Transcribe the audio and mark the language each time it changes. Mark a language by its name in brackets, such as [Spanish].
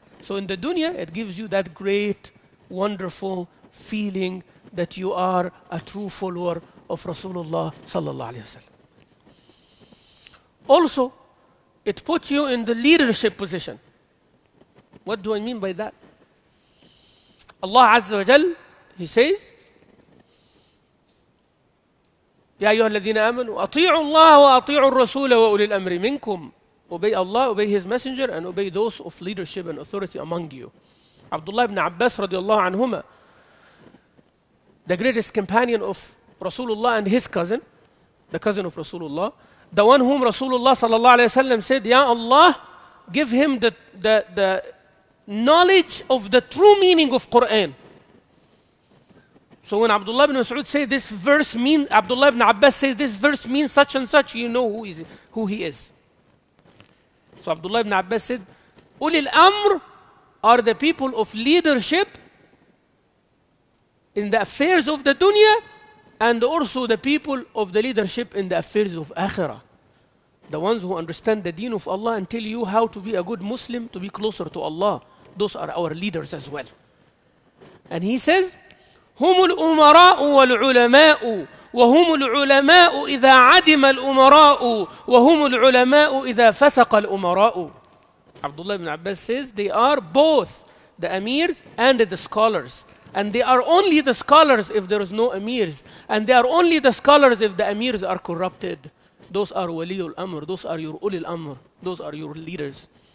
[English] So in the dunya, it gives you that great, wonderful feeling that you are a true follower of Rasulullah sallallahu alayhi wa sallam. Also, it puts you in the leadership position. What do I mean by that? Allah Azza wa Jal, He says, [Arabic] يَا أَيُّهَا الَّذِينَ آمَنُوا أَطِيعُوا اللَّهَ وَأَطِيعُوا الرَّسُولَ وَأُولِي الْأَمْرِ مِنْكُمْ. [English] Obey Allah, obey His Messenger, and obey those of leadership and authority among you. Abdullah ibn Abbas radiallahu anhuma, the greatest companion of Rasulullah and his cousin, the cousin of Rasulullah, the one whom Rasulullah sallallahu alayhi wa sallam said, Ya Allah, give him the knowledge of the true meaning of Quran. So when Abdullah ibn Mas'ud say this verse means, Abdullah ibn Abbas says this verse means such and such, you know who he is. So Abdullah ibn Abbas said, Ulil Amr are the people of leadership in the affairs of the dunya and also the people of the leadership in the affairs of akhirah. The ones who understand the deen of Allah and tell you how to be a good Muslim, to be closer to Allah. Those are our leaders as well. And he says, [Arabic] هُمُ الْأُمَرَاءُ وَالْعُلَمَاءُ وَهُمُ الْعُلَمَاءُ إِذَا عَدِمَ الْأُمَرَاءُ وَهُمُ الْعُلَمَاءُ إِذَا فَسَقَ الْأُمَرَاءُ. [English] Abdullah ibn Abbas says, they are both the emirs and the scholars. And they are only the scholars if there is no emirs. And they are only the scholars if the emirs are corrupted. Those are waliul amr. Those are your ulil amr. Those are your leaders.